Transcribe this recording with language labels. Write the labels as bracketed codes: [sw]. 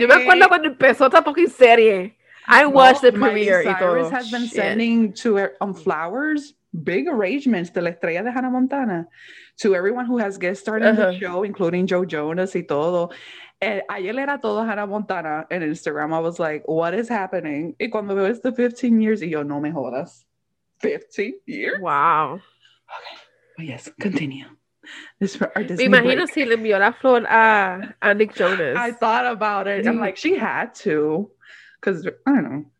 [es] Yo me acuerdo cuando empezó esta fucking serie. [en] I watched the premiere. Miley Cyrus has been sending to on flowers, big arrangements [es] de la estrella de [en] Hannah Montana to everyone who has guest starred in the show, including Joe Jonas [es] y todo. Ayer era todo Hannah Montana en Instagram. [en] I was like, what is happening? [es] Y cuando veo esto [en] 15 years, [es] y yo, no me jodas. [en] 15 years? Wow. Okay. Yes, continue. This for our Disney [es] me imagino break. Si le envió la flor a Nick Jonas. [en] I thought about it. I'm like, she had to. Because, I don't know.